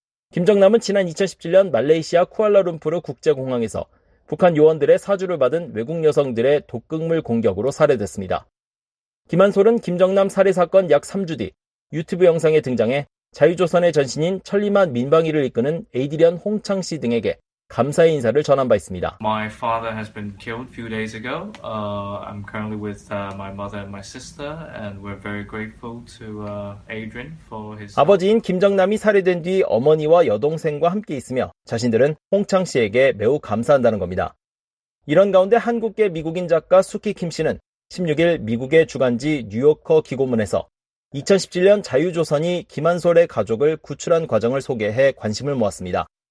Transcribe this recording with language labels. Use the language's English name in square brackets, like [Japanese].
[Korean] 김정남은 지난 2017년 말레이시아 쿠알라룸푸르 국제공항에서 북한 요원들의 사주를 받은 외국 여성들의 독극물 공격으로 살해됐습니다. 김한솔은 김정남 살해 사건 약 3주 뒤 유튜브 영상에 등장해 자유조선의 전신인 천리만 민방위를 이끄는 에이드리언 홍창 씨 등에게 감사의 인사를 전한 바 있습니다. [English] My father has been killed a few days ago. I'm currently with my mother and my sister and we're very grateful to Adrian for his [Korean] 아버지인 김정남이 살해된 뒤 어머니와 여동생과 함께 있으며 자신들은 홍창 씨에게 매우 감사한다는 겁니다. 이런 가운데 한국계 미국인 작가 수키 김 씨는 16일 미국의 주간지 뉴요커 기고문에서 2017년 자유조선이 김한솔의 가족을 구출한 과정을 소개해 관심을 모았습니다.